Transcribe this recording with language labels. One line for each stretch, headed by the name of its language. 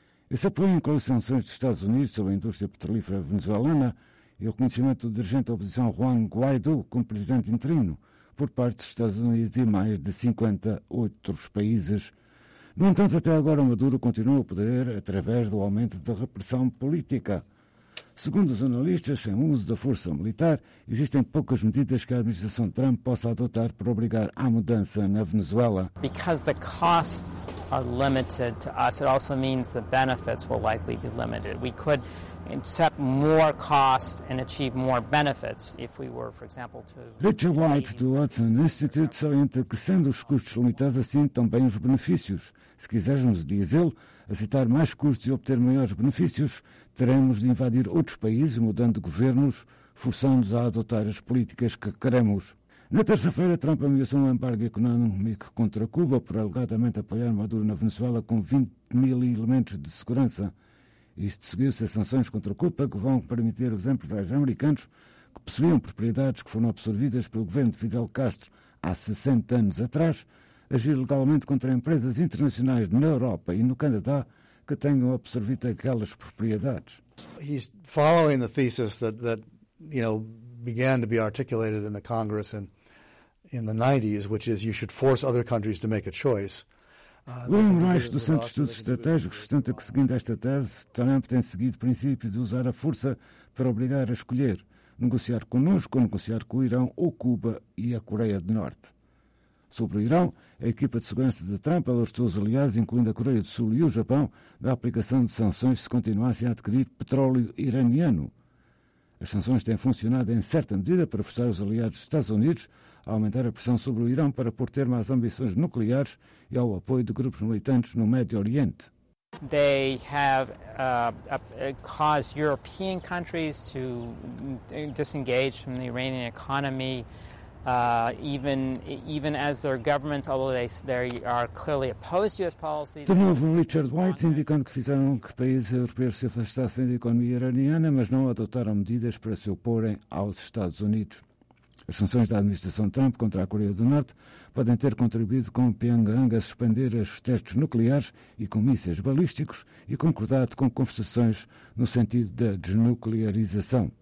Portuguese: Esse apoio inclui sanções dos Estados Unidos sobre a indústria petrolífera venezuelana e o reconhecimento do dirigente da oposição Juan Guaidó como presidente interino por parte dos Estados Unidos e mais de 50 outros países. No entanto, até agora, Maduro continua o poder através do aumento da repressão política. Segundo os analistas, sem uso da força militar, existem poucas medidas que a administração Trump possa adotar para obrigar à mudança na Venezuela.
English: Because the costs are limited to us, it also means the benefits will likely be limited. We could set more costs and achieve more benefits if we were, for example, to.
Portuguese: Richard White do Hudson Institute salienta que, sendo os custos limitados assim, também os benefícios. Se quisermos, diz ele, aceitar mais custos e obter maiores benefícios, teremos de invadir outros países, mudando governos, forçando-os a adotar as políticas que queremos. Na terça-feira, Trump ameaçou um embargo económico contra Cuba por alegadamente apoiar Maduro na Venezuela com 20 mil elementos de segurança. Isto seguiu-se a sanções contra Cuba, que vão permitir aos empresários americanos que possuíam propriedades que foram absorvidas pelo governo de Fidel Castro há 60 anos atrás, agir legalmente contra empresas internacionais na Europa e no Canadá que tenham absorvido aquelas propriedades.
English: He's following the thesis that you know began to be articulated in the Congress in the 90s, which is you should force other countries to make a choice.
Portuguese: William Reich, do Centro de Estudos Estratégicos, sustenta que, seguindo esta tese, Trump tem seguido o princípio de usar a força para obrigar a escolher negociar connosco ou negociar com o Irão ou Cuba e a Coreia do Norte. Sobre o Irão, a equipa de segurança de Trump alertou os aliados, incluindo a Coreia do Sul e o Japão, da aplicação de sanções se continuassem a adquirir petróleo iraniano. As sanções têm funcionado em certa medida para forçar os aliados dos Estados Unidos a aumentar a pressão sobre o Irão para pôr termo às ambições nucleares e ao apoio de grupos militantes no Médio Oriente.
English: They have caused European countries to disengage from the Iranian economy. Even as their governments, although they are clearly opposed to U.S. policies.
Portuguese: De novo, Richard White indicando que fizeram que países europeus se afastassem da economia iraniana, mas não adotaram medidas para se oporem aos Estados Unidos. As sanções da administração Trump contra a Coreia do Norte podem ter contribuído com Pyongyang a suspender os testes nucleares e com mísseis balísticos e concordado com conversações no sentido da desnuclearização.